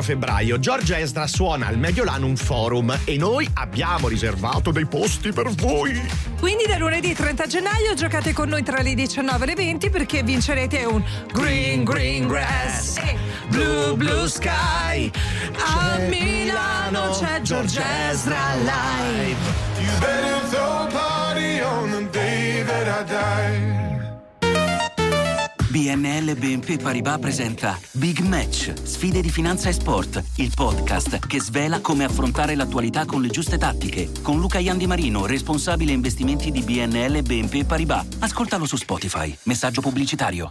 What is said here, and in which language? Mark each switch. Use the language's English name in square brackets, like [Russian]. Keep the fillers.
[Italian] febbraio Giorgia Esdra suona al Mediolanum Forum e noi abbiamo riservato dei posti per voi. Quindi da lunedì 30 gennaio giocate con noi tra le 19 e le 20 perché vincerete un Green Green Grass e [English] Blue Blue Sky. [Italian] A Milano c'è Giorgia Esdra live. live. [English] You better throw a party on the day that I die. [Italian] BNL BNP Paribas presenta Big Match, sfide di finanza e sport, il podcast che svela come affrontare l'attualità con le giuste tattiche, con Luca Iandi Marino, responsabile investimenti di BNL BNP Paribas. Ascoltalo su Spotify, messaggio pubblicitario.